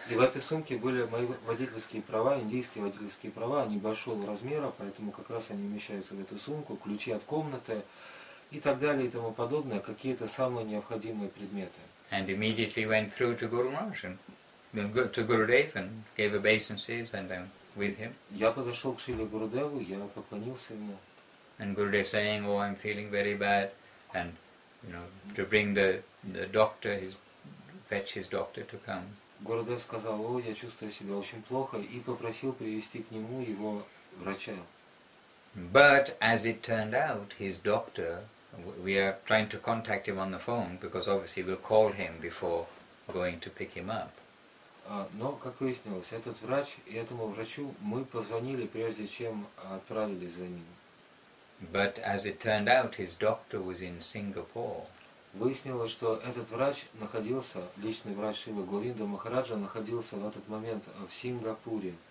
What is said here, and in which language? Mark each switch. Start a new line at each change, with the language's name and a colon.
Russian: И в этой сумке были мои водительские права, индийские водительские права, они большого размера, поэтому как раз они вмещаются в эту сумку, ключи от комнаты и так далее и тому подобное, какие-то самые необходимые предметы.
English: And immediately went through to Guru Maharaj and to Gurudev and gave obeisances and I'm with him.
Russian: Я подошел к Шриле Гурудеву, я поклонился ему.
English: And Gurudev saying, oh, I'm feeling very bad, and you know, to bring the doctor, fetch his doctor to come.
Russian: Gurudev сказал, о, я чувствую себя очень плохо, и попросил привести к нему его врача.
English: But as it turned out, his doctor, we are trying to contact him on the phone because obviously we'll call him before going to pick him up.
Russian: Но как выяснилось, этот врач и этому врачу мы позвонили прежде чем отправились за ним.
English: But as it turned out, his doctor was in Singapore.
Russian: Выяснилось, что этот врач находился, личный врач Шрилы Говинда Махараджа, находился в этот момент в Сингапуре.